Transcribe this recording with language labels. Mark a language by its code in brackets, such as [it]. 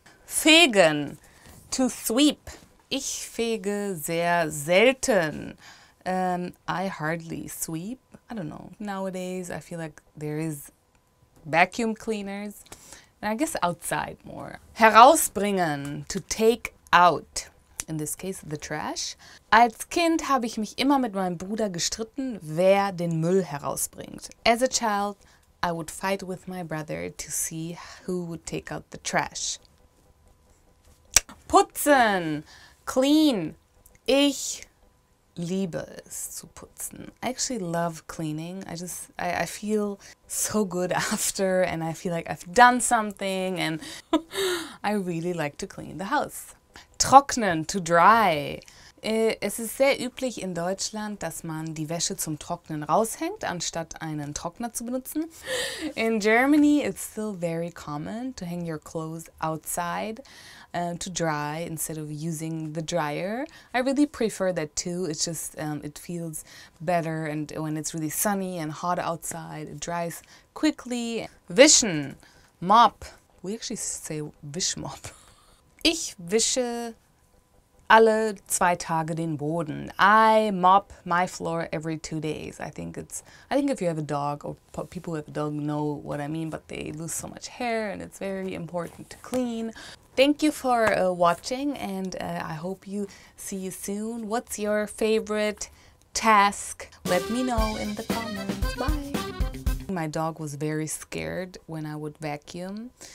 [de] Fegen, to sweep. Ich fege sehr selten. [en] I hardly sweep. I don't know. Nowadays, I feel like there is vacuum cleaners. I guess outside more. Herausbringen, to take out. In this case, the trash. [de] Als Kind habe ich mich immer mit meinem Bruder gestritten, wer den Müll herausbringt. [en] As a child, I would fight with my brother to see who would take out the trash. [de] Putzen, clean. Ich liebe es zu putzen. [en] I actually love cleaning. I feel so good after, and I feel like I've done something, and I really like to clean the house. Trocknen, to dry. [de] Es ist sehr üblich in Deutschland, dass man die Wäsche zum Trocknen raushängt, anstatt einen Trockner zu benutzen. [en] In Germany, it's still very common to hang your clothes outside to dry instead of using the dryer. I really prefer that too. It's just, it feels better, and when it's really sunny and hot outside, it dries quickly. Wischen, mop. We actually say wischmop. [de] Ich wische alle zwei Tage den Boden. [en] I mop my floor every 2 days. I think if you have a dog, or people who have a dog know what I mean, but they lose so much hair and it's very important to clean. Thank you for watching, and I hope you see you soon. What's your favorite task? Let me know in the comments. Bye. My dog was very scared when I would vacuum.